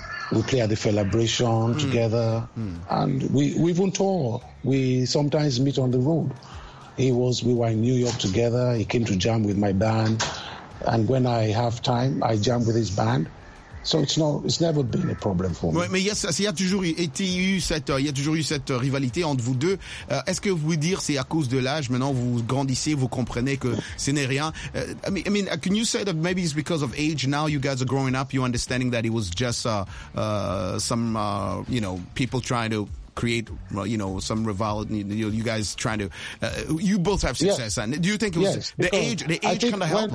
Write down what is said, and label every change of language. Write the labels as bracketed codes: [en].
[en] We play at the celebration together, and we even tour. We sometimes meet on the road. We were in New York together. He came to jam with my band, and when I have time, I jam with his band. So it's never been a problem for me. [fr] Mais il y a toujours eu cette rivalité entre vous deux. Est-ce que vous pouvez dire c'est à cause de l'âge? Maintenant vous grandissez, vous comprenez que ce n'est rien. [en] I mean, can you say that maybe it's because of age? Now you guys are growing up, you're understanding that it was just people trying to create, some rivalry. You guys trying to, you both have success. Yes. And do you think it was the age kind of helped?